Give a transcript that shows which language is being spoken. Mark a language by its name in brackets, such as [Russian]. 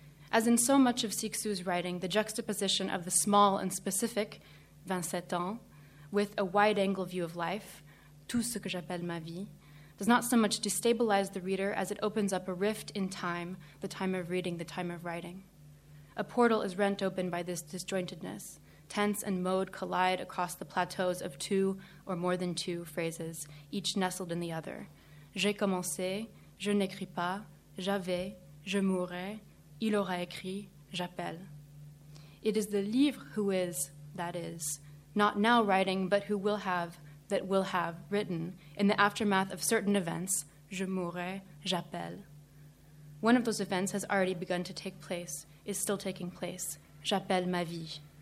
[English] As in so much of Cixous' writing, the juxtaposition of the small and specific, [French] 27 ans, [English] with a wide-angle view of life, [French] tout ce que j'appelle ma vie, [English] does not so much destabilize the reader as it opens up a rift in time, the time of reading, the time of writing. A portal is rent open by this disjointedness. Tense and mode collide across the plateaus of two or more than two phrases, each nestled in the other. [French] J'ai commencé, je n'écris pas, j'avais, je mourrai, il aura écrit, j'appelle. [English] It is the livre who is, that is, not now writing, but who will have, that will have, written in the aftermath of certain events, [French] je mourrai, j'appelle. [English] One of those events has already begun to take place, is still taking place, [French] j'appelle ma vie.